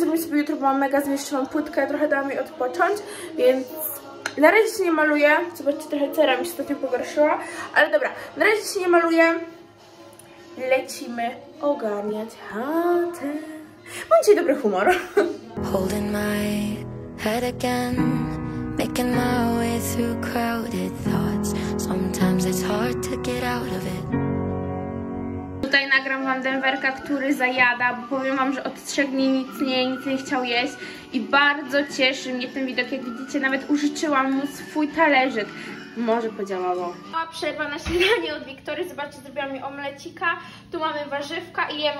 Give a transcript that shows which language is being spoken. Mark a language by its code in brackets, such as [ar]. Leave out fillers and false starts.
[pl] Zrobię sobie jutro, bo mam mega zmieszczoną płytkę. Trochę dałam jej odpocząć, więc na razie się nie maluję. Zobaczcie, trochę cera mi się ostatnio pogorszyła. Ale dobra, na razie się nie maluję. Lecimy ogarniać chatę. Mam dzisiaj dobry humor. [en] Holding my head again, making my way through crowded thoughts. Sometimes it's hard to get out of it. [pl] Tutaj nagram Wam Denverka, który zajada, bo powiem Wam, że od 3 dni nic nie chciał jeść i bardzo cieszy mnie ten widok, jak widzicie, nawet użyczyłam mu swój talerzyk. Może podziałało. Mała przerwa na śniadanie od Wiktorii, zobaczcie, zrobiła mi omlecika, tu mamy warzywka i jemy.